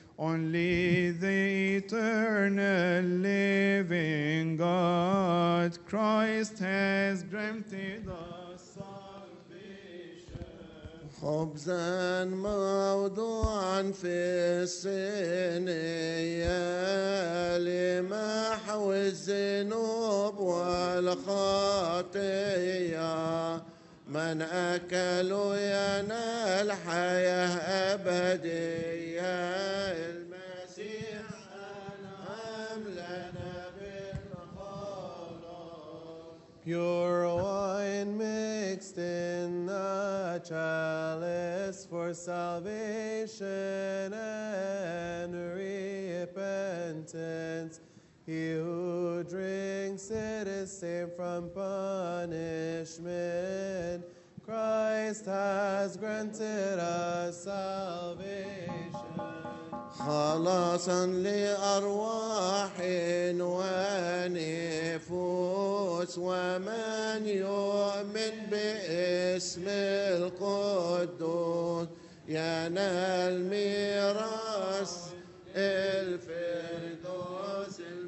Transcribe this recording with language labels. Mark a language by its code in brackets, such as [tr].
[en] Only the eternal living God, Christ has granted us salvation. [ar] خبزا موضوعا في الصينية لمحو الذنوب والخطية من أكل ينال حياة أبدية المسيح أنعم لنا بالخلاص [en] Pure wine mixed in the chalice for salvation and repentance He who drinks it is saved from punishment. Christ has granted us salvation. [ar] خلاصا لأرواح ونفوس ومن يؤمن باسم القدوس ينال ميراث الفردوس